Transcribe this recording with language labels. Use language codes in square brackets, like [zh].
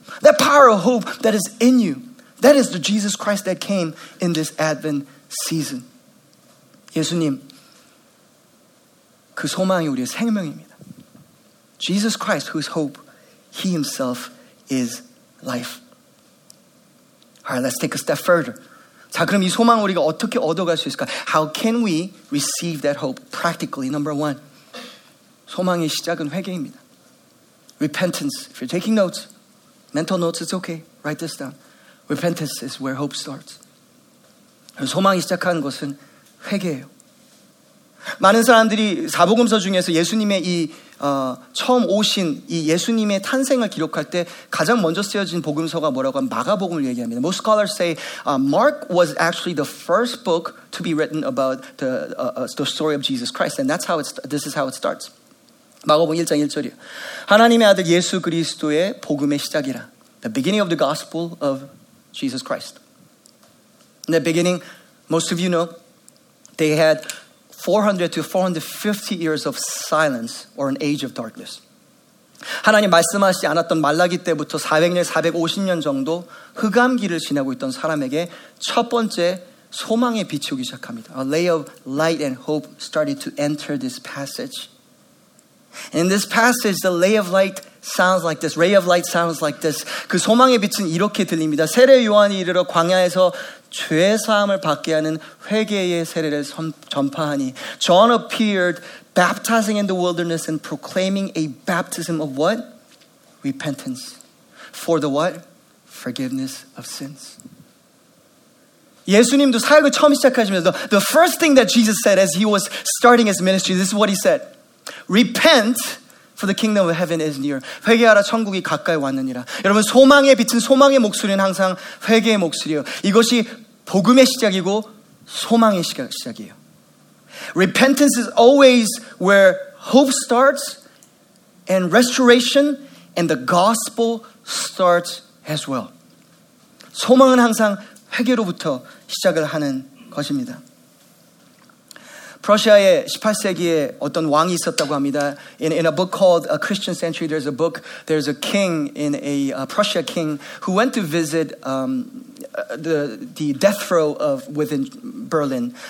[en] That power of hope that is in you, that is the Jesus Christ that came in this Advent season. [ko] 예수님, 그 소망이 우리의 생명입니다. [en] Jesus Christ, who is hope, he himself is life. All right, let's take a step further. [ko] 자, 그럼 이 소망 우리가 어떻게 얻어갈 수 있을까? [en] How can we receive that hope practically? Number one, [ko] 소망의 시작은 회개입니다. [en] Repentance, if you're taking notes, mental notes, it's okay. Write this down. Repentance is where hope starts. [ko] 소망이 시작하는 것은 회개예요. 많은 사람들이 사복음서 중에서 예수님의 이 처음 오신 이 예수님의 탄생을 기록할 때 가장 먼저 쓰여진 복음서가 뭐라고 하면 마가복음을 얘기합니다. [en] Most scholars say Mark was actually the first book to be written about the story of Jesus Christ, and that's how it's. This is how it starts. [ko] 마가복음 1장 1절이요. 하나님의 아들 예수 그리스도의 복음의 시작이라. [en] The beginning of the gospel of Jesus Christ. In the beginning, most of you know, they had 400 to 450 years of silence or an age of darkness. [ko] 하나님 말씀하시지 않았던 말라기 때부터 400년, 450년 정도 흑암기를 지나고 있던 사람에게 첫 번째 소망의 빛이 오기 시작합니다. [en] A ray of light and hope started to enter this passage. In this passage, the ray of light sounds like this. Ray of light sounds like this. [ko] 그 소망의 빛은 이렇게 들립니다. 세례 요한이 이르러 광야에서 죄사함을 받게 하는 회개의 세례를 전파하니. [en] John appeared, baptizing in the wilderness and proclaiming a baptism of what? Repentance. For the what? Forgiveness of sins. [ko] 예수님도 사역을 처음 시작하시면서 [en] the first thing that Jesus said as he was starting his ministry, this is what he said. Repent, for the kingdom of heaven is near. [ko] 회개하라, 천국이 가까이 왔느니라. 여러분, 소망의 빛은 소망의 목소리는 항상 회개의 목소리예요. 이것이 복음의 시작이고 소망의 시작이에요. [en] Repentance is always where hope starts and restoration and the gospel starts as well. [ko] 소망은 항상 회개로부터 시작을 하는 것입니다. 프러시아의 18세기에 어떤 왕이 있었다고 합니다. [en] In a book called A Christian Century, there's a book, there's a king in a Prussia king who went to visit the death row of within Berlin.